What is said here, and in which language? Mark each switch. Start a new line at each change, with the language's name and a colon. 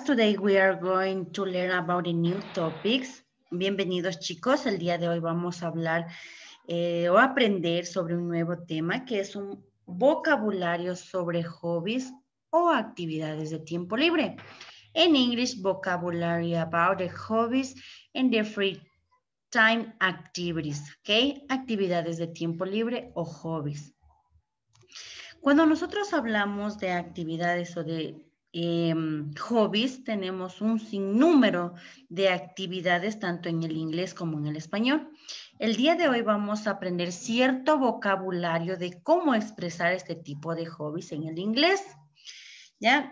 English: Today we are going to learn about the new topics.
Spanish: Bienvenidos, chicos. El día de hoy vamos a hablar o aprender sobre un nuevo tema que es un vocabulario sobre hobbies o actividades de tiempo libre.
English: In English, vocabulary about the hobbies and the free time activities.
Spanish: Okay, actividades de tiempo libre o hobbies. Cuando nosotros hablamos de actividades o de hobbies, tenemos un sinnúmero de actividades, tanto en el inglés como en el español. El día de hoy vamos a aprender cierto vocabulario de cómo expresar este tipo de hobbies en el inglés. ¿Ya?